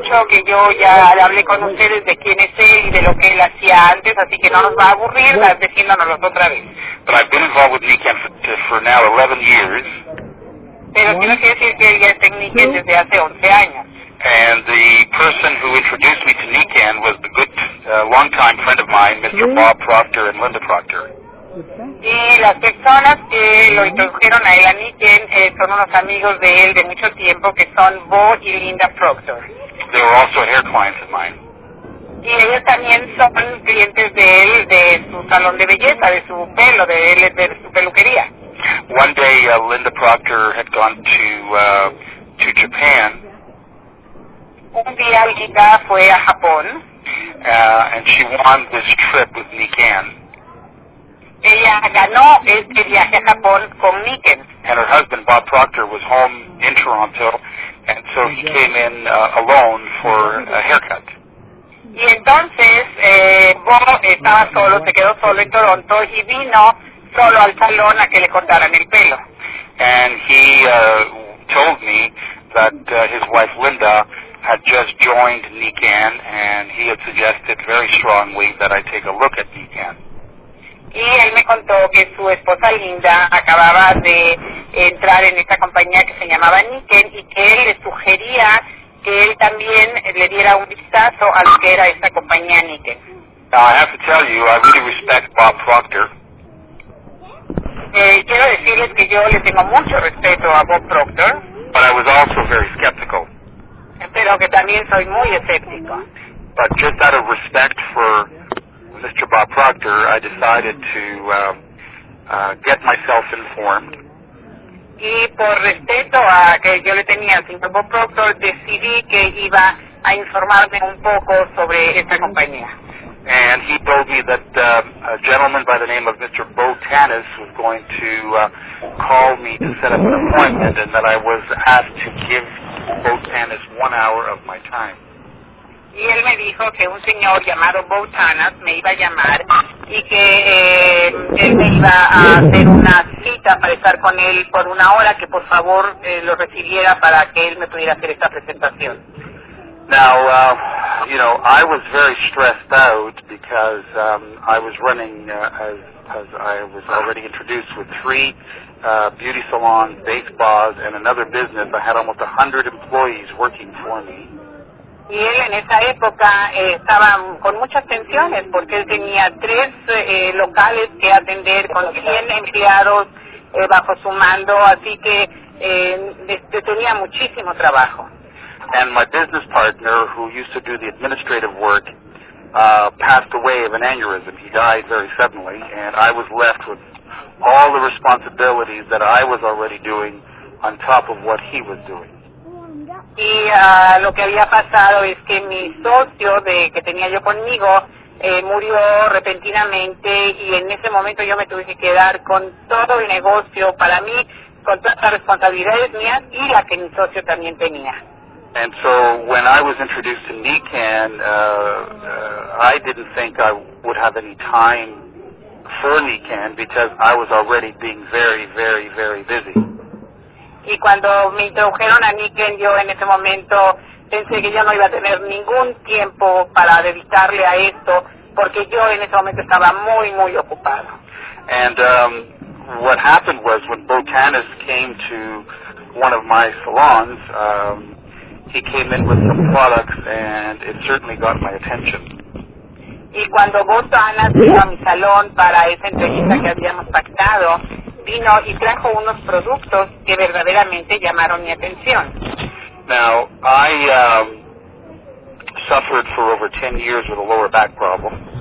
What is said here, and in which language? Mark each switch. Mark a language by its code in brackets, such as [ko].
[es] Que yo ya hablé con ustedes de quién es él y de lo que él hacía antes, así que no nos va a aburrir diciéndonoslo otra vez. [en] But I've been involved with Nicken for now 11 years. [es] Pero quiero decir que él ya está en Nicken desde hace 11 años. [en] And the person who introduced me to Nicken was the good long-time friend of mine, Mr. Bob Proctor and Linda Proctor. [es] Y las personas que lo introdujeron a él a Nicken son unos amigos de él de mucho tiempo, que son Bo y Linda Proctor. [en] They were also hair clients of mine. [es] Y ellos también son clientes de él, de su salón de belleza, de su pelo, de él, de su peluquería. [en] One day, Linda Proctor had gone to Japan. [es] Un día, Linda fue a Japón. [en] And she won this trip with Nicken. [es] Ella ganó este viaje a Japón con Nicken. [en] And her husband, Bob Proctor, was home in Toronto. And so he came in alone for a haircut. [es] Y entonces, Bob estaba solo, se quedó solo en Toronto, y vino solo al salón a que le cortaran el pelo. [en] And he told me that his wife Linda had just joined Nicken, and he had suggested very strongly that I take a look at Nicken. [es] Y él me contó que su esposa Linda acababa de entrar en esta compañía que se llamaba Nicken y que él le sugería que él también le diera un vistazo a lo que era esta compañía Nicken. [en] Now, I have to tell you, I really respect Bob Proctor. [es] Quiero decirles que yo le tengo mucho respeto a Bob Proctor. [en] But I was also very skeptical. [es] Pero que también soy muy escéptico. [en] But just out of respect for Mr. Bob Proctor, I decided to get myself informed. [es] y por respeto a que yo le tenía al señor Bob Proctor, decidí que iba a informarme un poco sobre esta compañía. [en] And he told me that a gentleman by the name of Mr. Bo Tanis was going to call me to set up an appointment, and that I was asked to give Bo Tanis 1 hour of my time. [es] Y él me dijo que un señor llamado Bo Tanis me iba a llamar y que él me iba a hacer una cita para estar con él por una hora, que por favor lo recibiera para que él me pudiera hacer esta presentación. [en] Now, you know, I was very stressed out because I was running, as I was already introduced, with three beauty salons, day spas, and another business. I had almost 100 employees working for me. [es] Y él en esa época estaba con muchas tensiones porque él tenía tres locales que atender con 100 empleados bajo su mando, así que tenía muchísimo trabajo. [en] And my business partner, who used to do the administrative work, passed away of an aneurysm. He died very suddenly, and I was left with all the responsibilities that I was already doing on top of what he was doing. [es] Y lo que había pasado es que mi socio que tenía yo conmigo murió repentinamente, y en ese momento yo me tuve que quedar con todo el negocio para mí, con todas las responsabilidades mías y la que mi socio también tenía. [en] And so when I was introduced to NECAN, I didn't think I would have any time for NECAN because I was already being very, very, very busy. [es] Y cuando me introdujeron a NECAN, yo en ese momento pensé que yo no iba a tener ningún tiempo para dedicarle a esto porque yo en ese momento estaba muy, muy ocupado. [en] And what happened was when Bo Tanis came to one of my salons, he came in with some products, and it certainly got my attention. [es] Y cuando Bo Tanis vino a mi salón para esa entrevista que habíamos pactado, vino y trajo unos productos que verdaderamente llamaron mi atención. [en] Now, I suffered for over 10 years with a lower back problem.